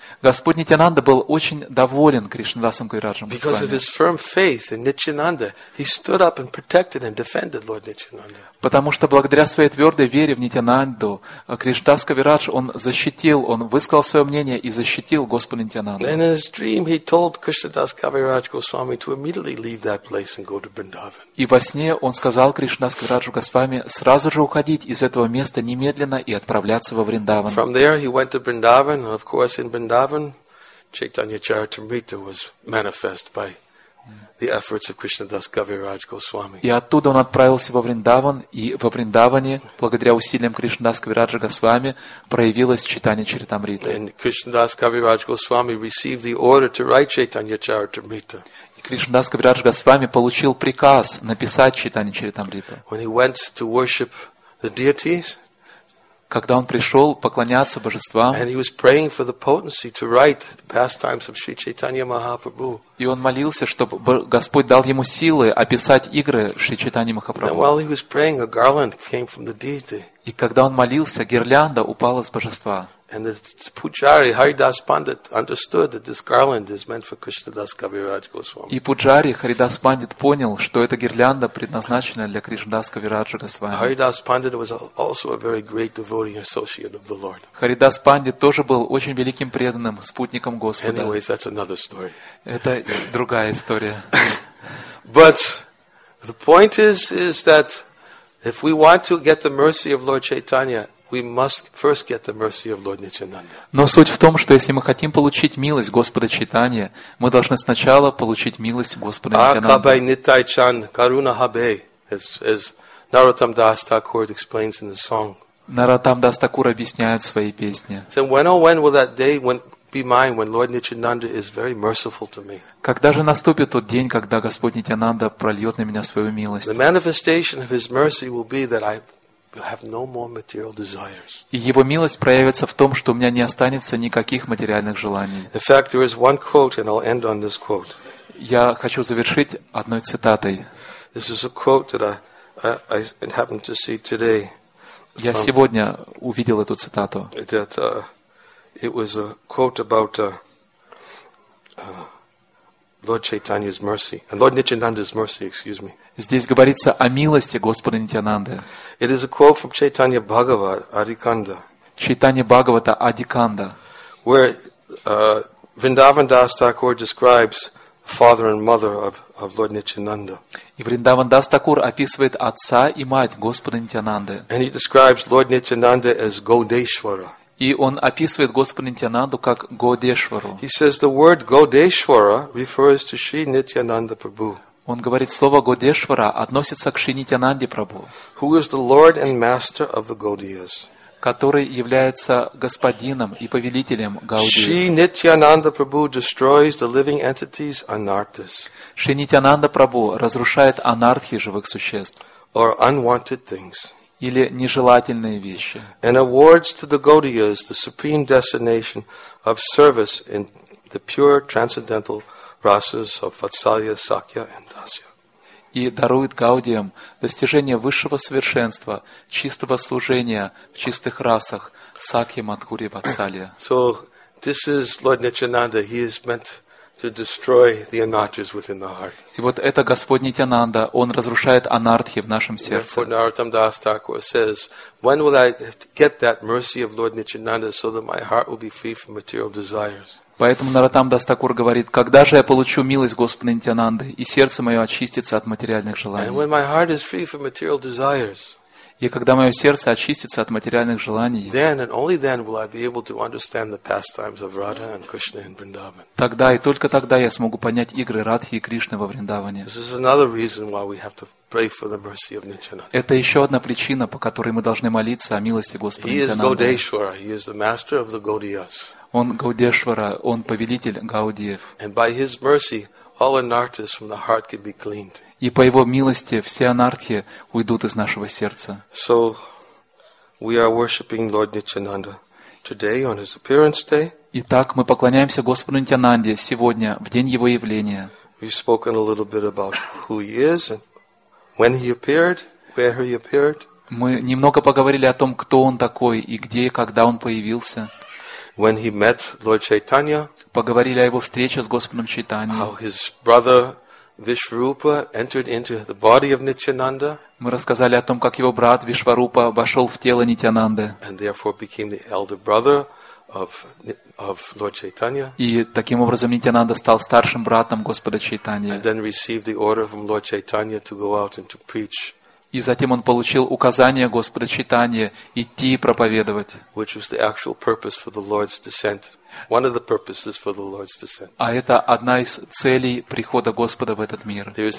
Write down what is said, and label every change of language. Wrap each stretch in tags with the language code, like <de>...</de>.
<ru>Господь Нитянанда был очень доволен Кришнадасом Кавираджем Госвами.</ru> <en>Because of his firm faith in Nityananda, he stood up and protected and defended Lord Nityananda.</en> <ru>Потому что благодаря своей твердой вере в Нитянанду, Кришнадас Кавирадж, он защитил, он высказал свое мнение и защитил Господа Нитянанду.</ru> <en>And in his dream, he told Krishnadas Kaviraj Goswami to immediately leave that place and go to Vrindavan.</en> <ru>И во сне он сказал Кришнадас Кавираджу Госвами сразу же уходить из этого места немедленно и отправляться во Вриндаван.</ru> <en>From there, he went to Vrindavan, and of course, in Vrindavan, Chaitanya Charitamrita was manifest by the efforts of Krishnadas Kaviraj Goswami.</en> <ru>И оттуда он отправился во Вриндаван, и во Вриндаване, благодаря усилиям Кришнадас Кавираджа Госвами, проявилось читание Чаритамриты.</ru> <en>And Krishnadas Kaviraj Goswami received the order to write Chaitanya Charitamrita.</en> <ru>И Кришнадас Кавираджа Госвами получил приказ написать читание Чаритамриты.</ru> <en>When he went to worship the deities,</en> <ru>когда он пришел поклоняться божествам,</ru> <en>and he was praying for the potency to write the pastimes of Sri Chaitanya Mahaprabhu.</en> <ru>И он молился, чтобы Господь дал ему силы описать игры Шри Чайтаньи Махапрабху.</ru> <en>And while he was praying, a garland came from the deity.</en> <ru>И когда он молился, гирлянда упала с божества.</ru> <en>And the pujari, Haridas Pandit, understood that this garland is meant for Krishnadas Kaviraj Goswami.</en> <ru>И пуджари, Харидас Пандит, понял, что эта гирлянда предназначена для Кришнадас Кавираджа Госвами.</ru> <en>Haridas Pandit was also a very great devotee and associate of the Lord.</en> <ru>Харидас Пандит тоже был очень великим преданным спутником Господа.</ru> <en>Anyways, that's another story.</en> <ru>Это другая история.</ru> <en>But the point is that if we want to get the mercy of Lord Chaitanya, we must first get the mercy of Lord Nityananda.</en> <ru>Но суть в том, что если мы хотим получить милость Господа Чайтанья, мы должны сначала получить милость Господа Нитянанды.</ru> <bn>Акабай нитай чан каруна хабей,</bn> <en>as Narottam Das Thakur explains in the song.</en> <ru>Narottam Das Thakur объясняет в своей песне.</ru> <en>So when will that day when be mine when Lord Nityananda is very merciful to me?</en> <ru>Когда же наступит тот день, когда Господь Нитянанда прольет на меня свою милость?</ru> <en>The manifestation of his mercy will be that I have no more material desires.</en> <ru>И его милость проявится в том, что у меня не останется никаких материальных желаний.</ru> <en>In fact, there is one quote, and I'll end on this quote.</en> <ru>Я хочу завершить одной цитатой.</ru> <en>This is a quote that I happened to see today.</en> <ru>Я сегодня увидел эту цитату.</ru> <en>That it was a quote about Lord Chaitanya's mercy, and Lord Nityananda's mercy, excuse me.</en> <ru>Здесь говорится о милости Господа Нитянанды.</ru> <en>It is a quote from Chaitanya Bhagavata, Adikanda.</en> <ru>Chaitanya Bhagavata, Adikanda.</ru> <en>Where Vrindavan Das Thakur describes father and mother of Lord Nityananda.</en> <ru>И Вриндаван Дас Такур описывает отца и мать Господа Нитянанды.</ru> <en>And he describes Lord Nityananda as Godeshwara.</en> <ru>И он описывает Господа Нитянанду как Годешвару.</ru> <en>He says the word Godeshwara refers to Sri Nityananda Prabhu.</en> <ru>Он говорит, слово Годешвара относится к Шри Нитянанде Прабху.</ru> <en>Who is the Lord and Master of the Gaudiyas?</en> <ru>Который является господином и повелителем Гаудии.</ru> <en>Шри Нитянанда Прабху destroys the living entities Anarthas.</en> <ru>Шри Нитянанда Прабху разрушает анартхи живых существ.</ru> <en>Or unwanted things.</en> <ru>Или нежелательные вещи.</ru> <en>And awards to the Gaudiyas the supreme destination of service in the pure transcendental rasas of Vatsalya, Sakya and Dasya.</en> <ru>И дарует Гаудиям достижение высшего совершенства, чистого служения в чистых расах Сакья, Мадхури, Ватсалья.</ru> <en>So this is Lord Nityananda. He is meant to destroy the anarthas within the heart.</en> <ru>И вот это Господь Нитянанда, он разрушает анартхи в нашем сердце.</ru> <en>Therefore, Narottam Das Thakur says, when will I get that mercy of Lord Nityananda so that my heart will be free from material desires?</en> <ru>Поэтому Narottam Das Thakur говорит, когда же я получу милость Господа Нитянанды, и сердце мое очистится от материальных желаний.</ru> <en>And when my heart is free from material desires,</en> <ru>и когда мое сердце очистится от материальных желаний,</ru> <en>then and only then will I be able to understand the pastimes of Radha and Krishna in Vrindavan.</en> <ru>Тогда и только тогда я смогу понять игры Радхи и Кришны во Вриндаване.</ru> <en>This is another reason why we have to pray for the mercy of Nityananda.</en> <ru>Это еще одна причина, по которой мы должны молиться о милости Господа Нитянанды.</ru> <en>He is Godeshwara. He is the master of the Gaudiyas.</en> <ru>Он Гаудешвара, он повелитель Гаудиев.</ru> <en>And by his mercy, all anarthas from the heart can be cleaned.</en> <ru>И по его милости все анартхи уйдут из нашего сердца.</ru> <en>So we are worshiping Lord Nityananda today on his appearance day.</en> <ru>Итак, мы поклоняемся Господу Нитянанде сегодня в день его явления.</ru> <en>We've spoken a little bit about who he is and when he appeared, where he appeared.</en> <ru>Мы немного поговорили о том, кто он такой и где и когда он появился.</ru> <en>When he met Lord Chaitanya,</en> <ru>поговорили о его встрече с Господом Чайтанья.</ru> <en>How his brother Vishvarupa entered into the body of Nityananda.</en> <ru>Мы рассказали о том, как его брат Вишварупа вошел в тело Нитянанды.</ru> <en>And therefore became the elder brother of Lord Chaitanya.</en> <ru>И таким образом Нитянанда стал старшим братом Господа Чайтаньи.</ru> <en>And then received the order from Lord Chaitanya to go out and to preach.</en> <ru>И затем он получил указание Господа Чайтаньи идти и проповедовать. А это одна из целей прихода Господа в этот мир.</ru>